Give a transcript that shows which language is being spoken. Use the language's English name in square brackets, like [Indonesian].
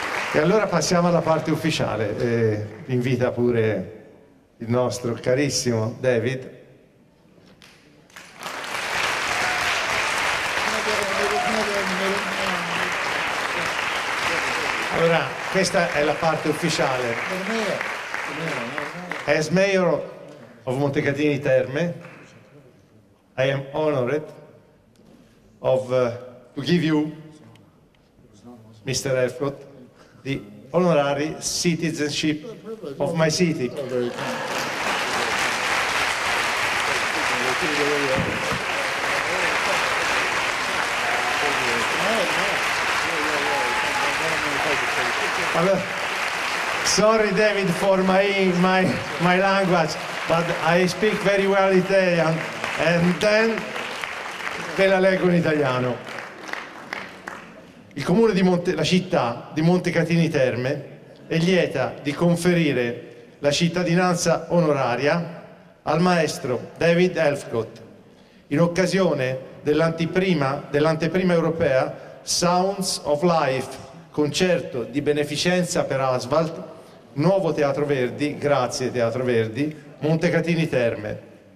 [Italian] E allora passiamo alla parte ufficiale. Invita pure il nostro carissimo David. Allora, questa è la parte ufficiale. [English] As mayor of Montecatini Terme, I am honored of to give you, Mr. Elfgott, the honorary citizenship of my city. Sorry, David, for my language, but I speak very well Italian, and then [Italian] ve la leggo in italiano. Il comune di la città di Montecatini Terme è lieta di conferire la cittadinanza onoraria al maestro David Elfgott in occasione dell'anteprima europea Sounds of Life, concerto di beneficenza per Asvalt, nuovo Teatro Verdi, grazie Teatro Verdi, Montecatini Terme.